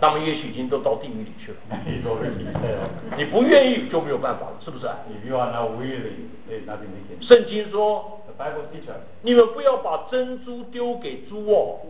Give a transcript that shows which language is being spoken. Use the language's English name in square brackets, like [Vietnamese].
[Chinese] 他们也许已经都到地狱里去了 [English] he's already there [Chinese] 你不愿意就没有办法了是不是 [English] if you are not willing there's nothing they can do [Chinese] 圣经说 [English] the Bible teaches [Chinese] 你们不要把珍珠丢给猪哦